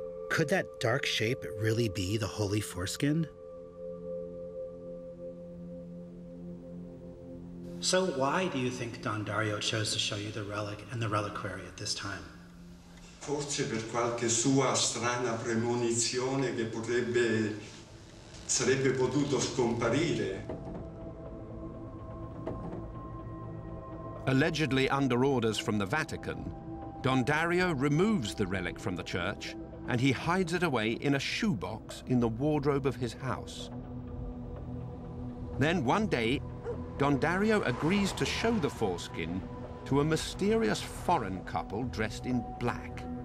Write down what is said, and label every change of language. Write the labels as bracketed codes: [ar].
[en] Could that dark shape really be the holy foreskin? So why do you think Don Dario chose to show you the relic and the reliquary at this time? [it] Forse per qualche sua strana premonizione che potrebbe sarebbe potuto scomparire. [en] Allegedly under orders from the Vatican, Don Dario removes the relic from the church and he hides it away in a shoebox in the wardrobe of his house. Then one day, Don Dario agrees to show the foreskin to a mysterious foreign couple dressed in black.